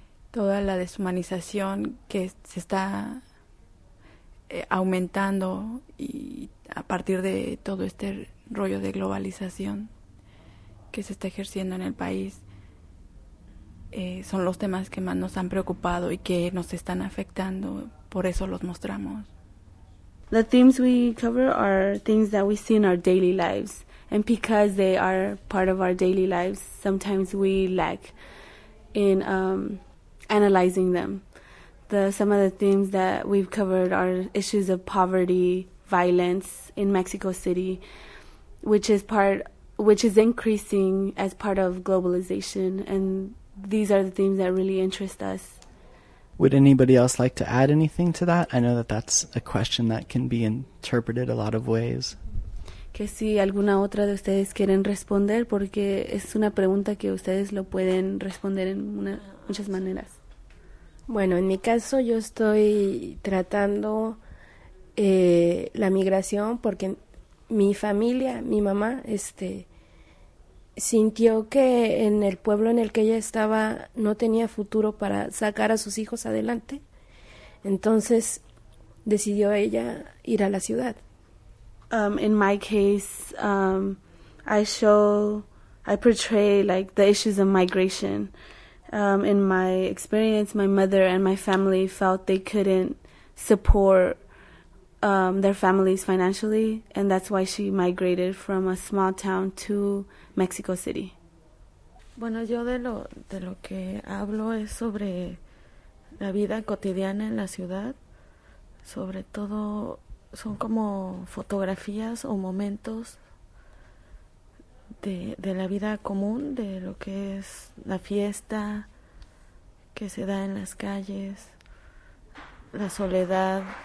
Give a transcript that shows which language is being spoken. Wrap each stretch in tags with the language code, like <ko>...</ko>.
<es>Toda la deshumanización que se está aumentando y a partir de todo este rollo de globalización que se está ejerciendo en el país. Son los temas que más nos han preocupado y que nos están afectando, por eso los mostramos.</es> <en>The themes we cover are things that we see in our daily lives, and because they are part of our daily lives, sometimes we lack in analyzing them. Some of the themes that we've covered are issues of poverty, violence in Mexico City, which is increasing as part of globalization, and these are the themes that really interest us. Would anybody else like to add anything to that? I know that that's a question that can be interpreted a lot of ways.</en> <es>Que si alguna otra de ustedes quieren responder, porque es una pregunta que ustedes lo pueden responder en muchas maneras. Bueno, en mi caso yo estoy tratando la migración porque mi familia, mi mamá, sintió que en el pueblo en el que ella estaba no tenía futuro para sacar a sus hijos adelante. Entonces decidió ella ir a la ciudad.</es> <en>In my case, I portray like the issues of migration. In my experience, my mother and my family felt they couldn't support their families financially, and that's why she migrated from a small town to Mexico City.</en> <es>Bueno, yo de lo que hablo es sobre la vida cotidiana en la ciudad. Sobre todo son como fotografías o momentos de la vida común, de lo que es la fiesta que se da en las calles, la soledad</es>